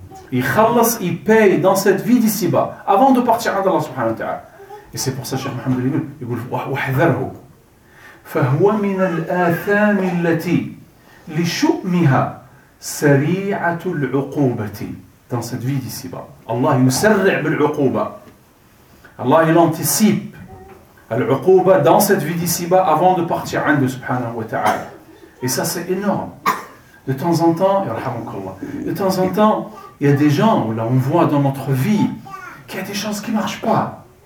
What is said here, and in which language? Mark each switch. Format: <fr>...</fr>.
<fr>Il khallas, il paye dans cette vie d'ici-bas avant de partir à Allah subhanahu wa ta'ala. Et c'est pour ça que Cheikh Mohammed Ibn il dit wahdharhu.</fr> <ar>فهو من الآثام التي لشؤمها سريعة العقوبة</ar> <fr>dans cette vie d'ici-bas.</fr> <ar>Allah يسرع بالعقوبة.</ar> <fr>Allah il anticipe العقوبة dans cette vie d'ici-bas avant de partir</fr> <ar>عنده سبحانه وتعالى.</ar> <fr>Et ça c'est énorme. De temps en temps,</fr> <ar>يرحمك الله.</ar> <fr>De temps en temps, il y a des gens où là on voit dans notre vie qu'il y a des choses qui ne marchent pas.</fr>